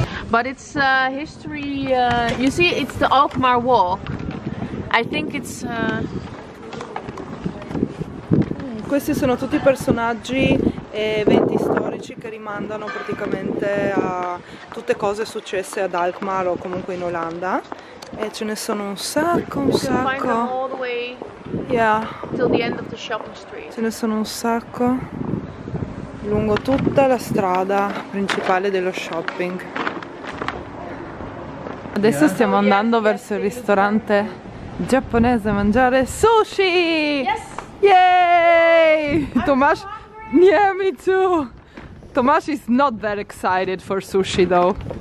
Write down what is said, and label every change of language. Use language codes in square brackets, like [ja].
[en] But it's history, you see it's the Alkmaar walk. I think it's [it] questi sono tutti personaggi e eventi storici che rimandano praticamente a tutte cose successe ad Alkmaar o comunque in Olanda e ce ne sono un sacco. [en] All the way, yeah. Till the end of the shopping street. [it] Ce ne sono un sacco lungo tutta la strada principale dello shopping. Adesso stiamo andando verso il ristorante giapponese a mangiare sushi. [en] Yes. Yay! Tomas. Yeah, me too. Tomas is not that excited for sushi though.